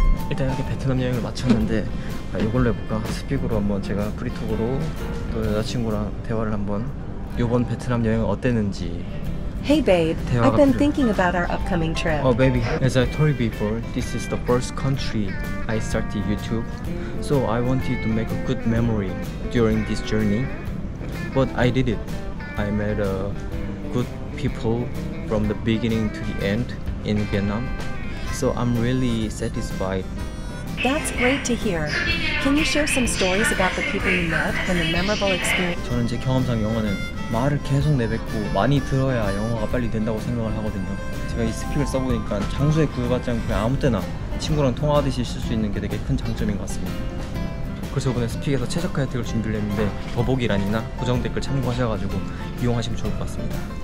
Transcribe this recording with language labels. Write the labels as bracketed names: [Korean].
[Korean] 일단 이렇게 베트남 여행을 마쳤는데 아, 이걸로 해볼까? 스픽으로 한번 제가 프리톡으로 또 여자친구랑 대화를 한번. 이번 베트남 여행 어땠는지. [English] Hey babe, I've been [Korean] 필요해. [English] thinking about our upcoming trip. Oh baby, as I told you before, this is the first country I started YouTube. So I wanted to make a good memory during this journey. But I did it. I met good people from the beginning to the end in Vietnam. So I'm really satisfied. That's great to hear. Can you share some stories about the people you met and the memorable experience? [Korean] 저는 제 경험상 영어는 말을 계속 내뱉고 많이 들어야 영어가 빨리 된다고 생각을 하거든요. 제가 이 스킬을 써보니까 장소에 구애받지 않고 그냥 아무 때나 친구랑 통화하듯이 쓸 수 있는 게 되게 큰 장점인 것 같습니다. 그래서 이번에 스픽에서 최적화 혜택을 준비를 했는데 더보기란이나 고정 댓글 참고하셔가지고 이용하시면 좋을 것 같습니다.